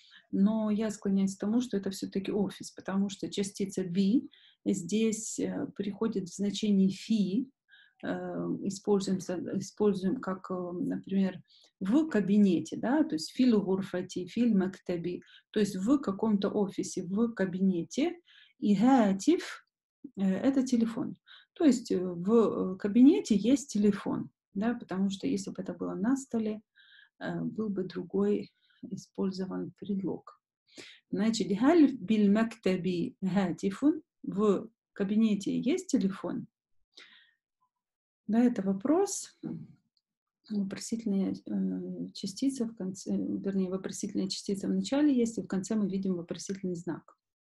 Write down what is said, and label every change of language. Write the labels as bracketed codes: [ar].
[ru] Но я склоняюсь к тому, что это все-таки офис, потому что частица «би» здесь приходит в значение «фи», используем как, например, «в кабинете», да, то есть [ar] «филу гурфати», «фил мактаби», [ru] то есть в каком-то офисе, в кабинете. И «гатиф» это телефон. То есть в кабинете есть телефон, да, потому что если бы это было на столе, был бы другой использован предлог. Значит, [ar] هل بالمكتب هاتف? [ru] В кабинете есть телефон? Да, это вопрос. Вопросительная частица в конце, вернее, вопросительная частица в начале есть, и в конце мы видим вопросительный знак.